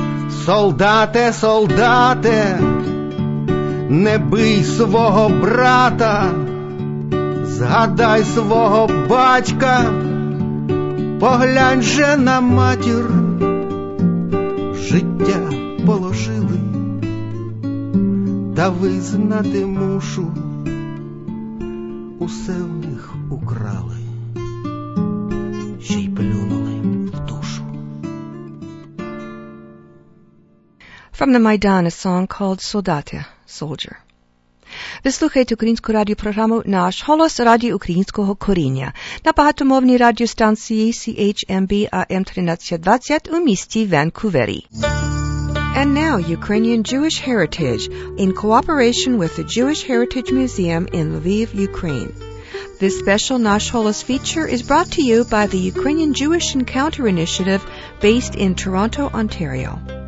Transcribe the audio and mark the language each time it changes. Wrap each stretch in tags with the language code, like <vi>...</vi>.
<uk>Солдате, солдате, не бий свого брата, згадай свого батька, поглянь же на матір, життя положили, та визнати мушу, усе в них украли, ще й плюнули в душу.</uk> <en>From the Maidan, a song called Soldate, Soldier.</en> <uk>Ви слухаєте українську радіопрограму «Наш голос» Радіо Українського коріння на багатомовній радіостанції CHMB AM1320 у місті Ванкувері.</uk> <en>And now, Ukrainian Jewish Heritage, in cooperation with the Jewish Heritage Museum in Lviv, Ukraine. This special «Наш голос» feature is brought to you by the Ukrainian Jewish Encounter Initiative based in Toronto, Ontario.</en>